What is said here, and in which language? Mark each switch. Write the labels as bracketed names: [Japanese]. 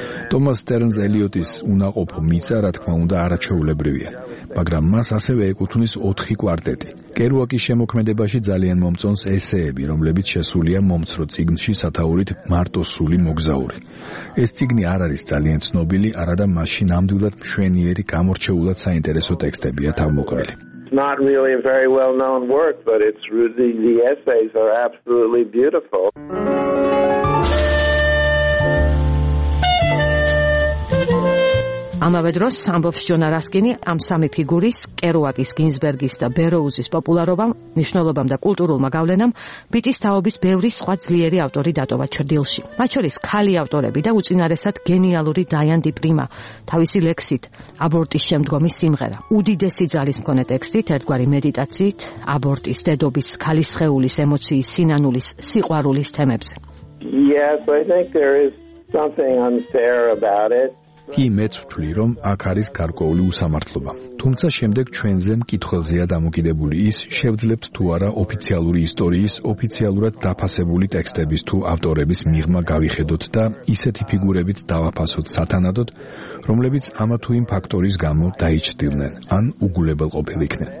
[Georgian] ტომას სტერნს ელიოტის უნაყოფო მიწა, რა თქმა უნდა, არაჩვეულებრივია, მაგრამ მას ასევე ეკუთვნის 4 კვარტეტი. კერუაკის შემოქმედებაში ძალიან მომწონს ესეები, რომლებიც შესულია მომცრო წიგნში სათაურით „მარტო სული მოგზაური“. ეს წიგნი არ არის ძალიან ცნობილი, არადა მასში ნამდვილად მშვენიერი, გამორჩეულად საინტერესო ტექსტებია თავმოყრილი. [English] Not really a very well-known work, but it's really the essays are absolutely beautiful. [Georgian] ამავე დროს სამბოფს ჯონა რასკინი ამ სამი ფიგურის, კერუაკის, გინსბერგის და ბეროუზის პოპულარობამ, მნიშვნელობამ და კულტურულმა გავლენამ ბიტის თაობის ბევრი სხვა ძლიერი ავტორი დატოვა ჩრდილში. მათ შორის ქალი ავტორები და უწინარესად გენიალური დაიან დიპრიმა, თავისი ლექსით „აბორტის შემდგომი სიმღერა“, უდიდესი ძალის მქონე ტექსტით, ერთგვარი მედიტაციით, აბორტის, დედობის, ქალის სხეულის, ემოციის, სინანულის, სიყვარულის თემებზე. [English] Yes, I think there is something unfair about it. [Georgian] კი, მეც ვთვლი, რომ აქ არის გარკვეული უსამართლობა. თუმცა შემდეგ ჩვენზე მკითხველზეა დამოკიდებული ის, შევძლებთ თუ არა ოფიციალური ისტორიის, ოფიციალურად დაფასებული ტექსტების თუ ავტორების მიღმა გავიხედოთ და ისეთი ფიგურებით დავაფასოთ სათანადოდ, რომლებიც ამა თუ იმ ფაქტორის გამო დაიჭრდილნენ ან უგულებელ ყოფილიქნენ.